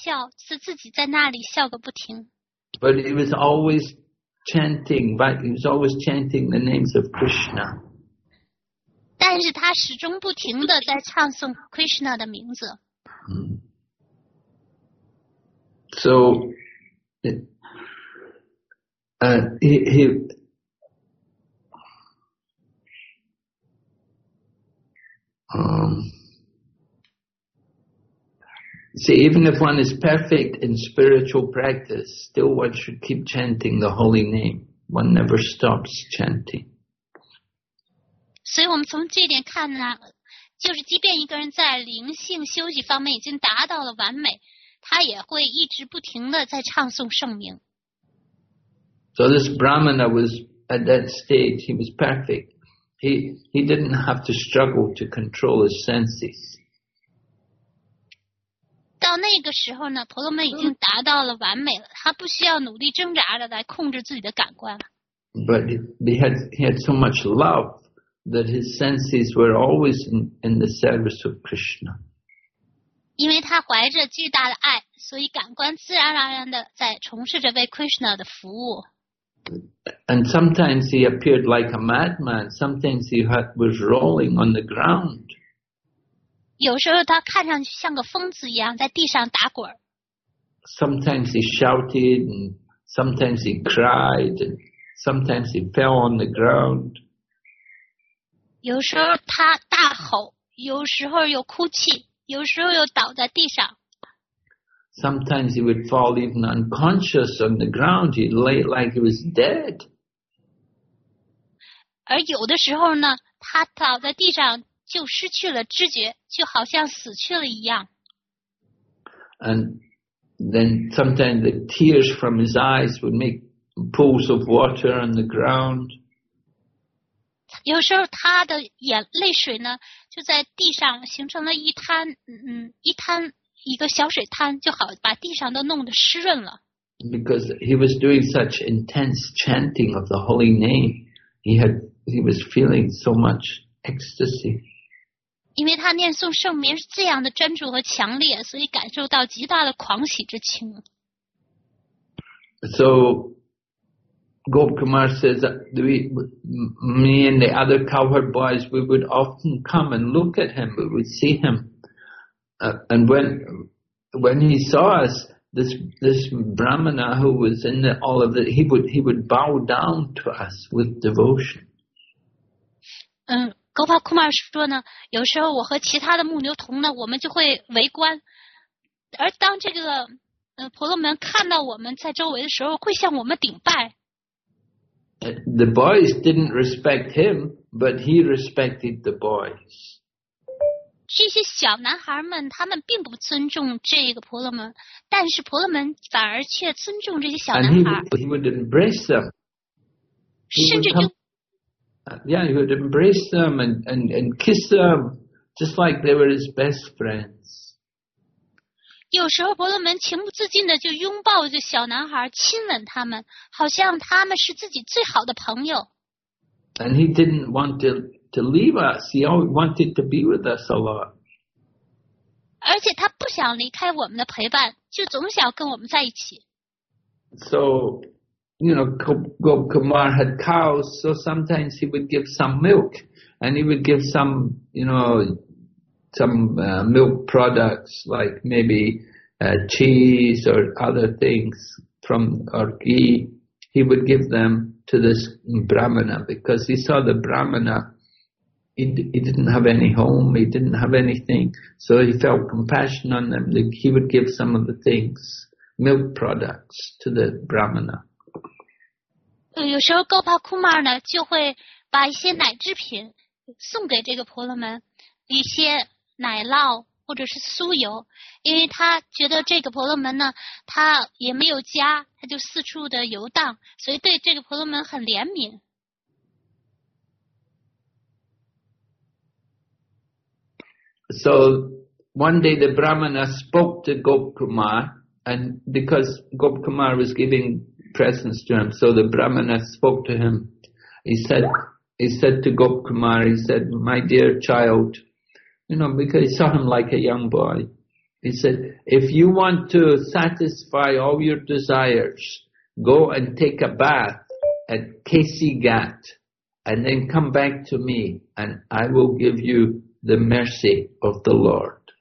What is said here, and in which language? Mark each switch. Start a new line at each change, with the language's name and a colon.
Chinese: 有时候他又开始呢，在那里发笑，是自己在那里笑个不停。
English: But he was always chanting, right? He was always chanting the names of Krishna.
Chinese: 但是他始终不停地在唱诵 Krishna 的名字。
English: So, even if one is perfect in spiritual practice, still one should keep chanting the holy name. One never stops chanting.
Chinese: 所以我们从这点看呢，就是即便一个人在灵性修习方面已经达到了完美，他也会一直不停地在唱诵圣名。
English: So this Brahmana was at that stage, he was perfect. He didn't have to struggle to control his senses.
Chinese: 到那个时候呢，婆罗门已经达到了完美了，他不需要努力挣扎着来控制自己的感官。
English: But he had so much love that his senses were always in the service of Krishna.
Chinese: 因为他怀着巨大的爱，所以感官自然而然的在从事着为 Krishna 的服务。
English: And sometimes he appeared like a madman. Sometimes he was rolling on the ground.
Chinese: 有时候他看上去像个疯子一样在地上打滚。
English: Sometimes he shouted, and sometimes he cried, and sometimes he fell on the ground.
Chinese: 有时候他大吼，有时候又哭泣，有时候又倒在地上。
English: Sometimes he would fall even unconscious on the ground. He lay like he was dead.
Chinese: 而有的时候呢，他倒在地上就失去了知觉，就好像死去了一样。
English: And then sometimes the tears from his eyes would make pools of water on the ground.
Chinese: 有时候他的眼泪水呢，就在地上形成了一滩，一滩。一个小水滩就好，把地上都弄得湿润了。
English: Because he was doing such intense chanting of the holy name, he was feeling so much ecstasy.
Chinese: 因为他念诵圣名是这样的专注和强烈，所以感受到极大的狂喜之情。
English: So, Gop Kumar says that me and the other cowherd boys, we would often come and look at him, we would see him. And when he saw us, this Brahmana who was in the, all of it, he would bow down to us with devotion.
Chinese: Gopa Kumar 说呢，有时候我和其他的牧牛童呢，我们就会围观，而当这个婆罗门看到我们在周围的时候，会向我们顶拜。
English: The boys didn't respect him, but he respected the boys.
Chinese: 这些小男孩们他们并不尊重这个婆罗门，但是婆罗门反而却尊重这些小男孩。
English: He would embrace them. He would embrace them and kiss them just like they were his best friends.
Chinese: 有时候婆罗门情不自禁的就拥抱着小男孩，亲吻他们，好像他们是自己最好的朋友。
English: And he didn't want to leave us. He always wanted to be with us a lot.
Chinese: 而且他不想离开我们的陪伴，就总想跟我们在一起。
English: So, you know, Gop Kumar had cows, so sometimes he would give some milk, and he would give some, you know, milk products, like maybe cheese or other things from or ghee. He would give them to this Brahmana, because he saw the Brahmana. He didn't have any home, he didn't have anything, so he felt compassion on them. He would give some of the things, milk products, to the Brahmana.
Chinese: 有时候 Gopa Kumar 呢就会把一些奶制品送给这个婆罗门，一些奶酪或者是酥油，因为他觉得这个婆罗门呢，他也没有家，他就四处的游荡，所以对这个婆罗门很怜悯。
English: So one day the Brahmana spoke to Gop Kumar, and because Gop Kumar was giving presents to him, so the Brahmana spoke to him. He said to Gop Kumar, he said, my dear child, you know, because he saw him like a young boy, he said, if you want to satisfy all your desires, go and take a bath at Kesi Ghat, and then come back to me, and I will give youThe mercy of the Lord.